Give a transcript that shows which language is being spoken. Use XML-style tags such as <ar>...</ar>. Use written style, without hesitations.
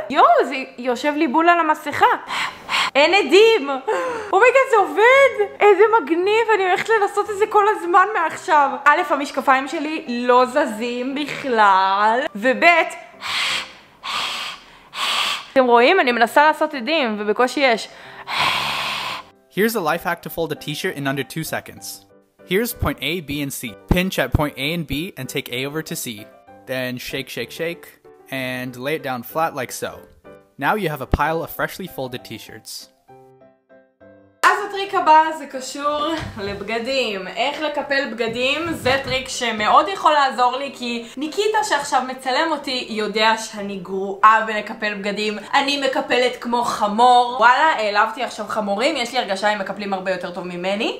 <he>יואו, זה יושב לי בול על המסכה. אין עדים! אומייגאד, זה עובד! איזה מגניב! אני הולכת לנסות את זה כל הזמן מעכשיו. א', המשקפיים שלי לא זזים בכלל, וב', אתם רואים? אני מנסה לעשות עדים, ובקושי יש.</he> <en>Here's a life hack to fold a t-shirt in under 2 seconds. Here's point A, B, and C. Pinch at point A and B, and take A over to C. Then shake, shake, shake, and lay it down flat like so. Now you have a pile of freshly folded t-shirts.</en> <he>הטריק הבא זה קשור לבגדים. איך לקפל בגדים? זה טריק שמאוד יכול לעזור לי, כי ניקיטה שעכשיו מצלם אותי יודע שאני גרועה בלקפל בגדים. אני מקפלת כמו חמור. וואלה, העלבתי עכשיו חמורים, יש לי הרגשה הם מקפלים הרבה יותר טוב ממני.</he>